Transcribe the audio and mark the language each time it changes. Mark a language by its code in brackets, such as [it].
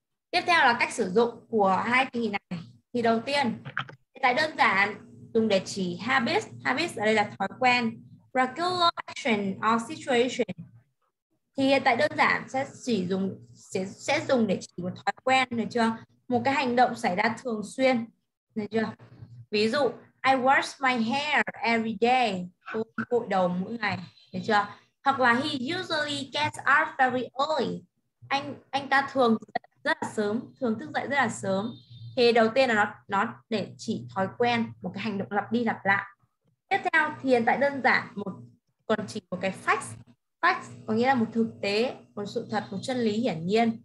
[vi] Tiếp theo là cách sử dụng của hai kỳ này. Thì đầu tiên, tại đơn giản dùng để chỉ habits. Habits ở đây là thói quen. [en] Regular action or situation. [vi] Thì hiện tại đơn giản sẽ chỉ dùng sẽ dùng để chỉ một thói quen, được chưa? Một cái hành động xảy ra thường xuyên, được chưa? Ví dụ [en] I wash my hair every day. [vi] Tôi gội đầu mỗi ngày, được chưa? Hoặc là [en] he usually gets up very early. [vi] Anh ta thường rất là sớm, thường thức dậy rất là sớm. Thì đầu tiên là nó để chỉ thói quen, một cái hành động lặp đi lặp lại. Tiếp theo thì hiện tại đơn giản một còn chỉ một cái facts. Facts có nghĩa là một thực tế, một sự thật, một chân lý hiển nhiên.